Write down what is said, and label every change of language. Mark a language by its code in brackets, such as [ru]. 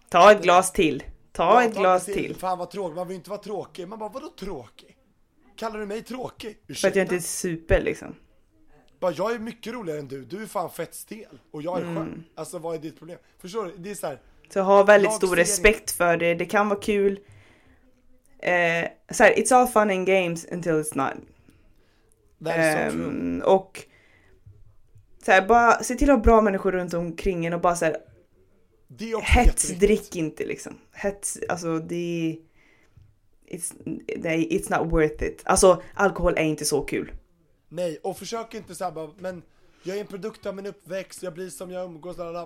[sv] ta ett glas till. Ta ett glas till. Fan vad tråkigt. Man vill inte vara tråkig. Man bara, vadå tråkig? Kallar du mig tråkig? Ursäkta. För att jag inte är super liksom. Bara, jag är mycket roligare än du. Du är fan fett stel. Och jag är skön. Alltså vad är ditt problem? Förstår du? Det är så här. Så ha väldigt stor respekt för det. Det kan vara kul. Så här, [en] it's all fun and games until it's not. That is so true. [sv] Och så här, bara se till att ha bra människor runt omkring en och bara så här, det är också hets, drick inte liksom. Hets, alltså [en] it's not worth it. [sv] Alltså alkohol är inte så kul. Nej, och försök inte så här, bara, men jag är en produkt av min uppväxt, jag blir som jag umgås, lalala.